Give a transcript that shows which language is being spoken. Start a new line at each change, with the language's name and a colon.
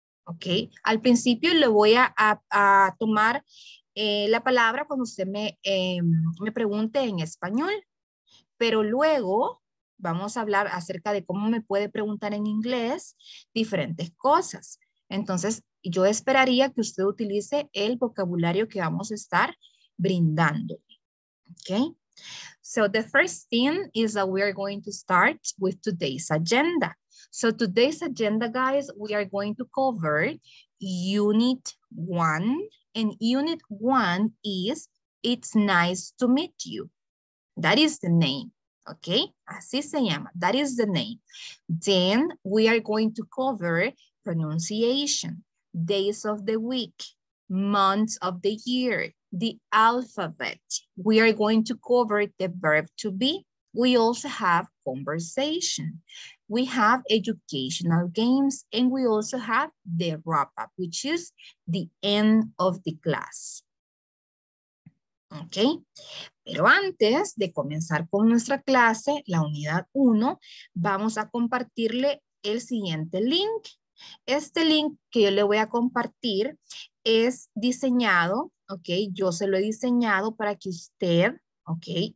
Spanish: Ok, al principio le voy a tomar la palabra cuando usted me pregunte en español, pero luego vamos a hablar acerca de cómo me puede preguntar en inglés diferentes cosas. Entonces, yo esperaría que usted utilice el vocabulario que vamos a estar brindando.
English: Ok, so the first thing is that we are going to start with today's agenda. So today's agenda, guys, we are going to cover Unit 1. And Unit 1 is, it's nice to meet you. That is the name, okay?
Spanish: Así se llama,
English: that is the name. Then we are going to cover pronunciation, days of the week, months of the year, the alphabet. We are going to cover the verb to be. We also have conversation. We have educational games, and we also have the wrap-up, which is the end of the class. Okay?
Spanish: Pero antes de comenzar con nuestra clase, la unidad 1, vamos a compartirle el siguiente link. Este link que yo le voy a compartir es diseñado, ¿ok? Yo se lo he diseñado para que usted, ¿ok?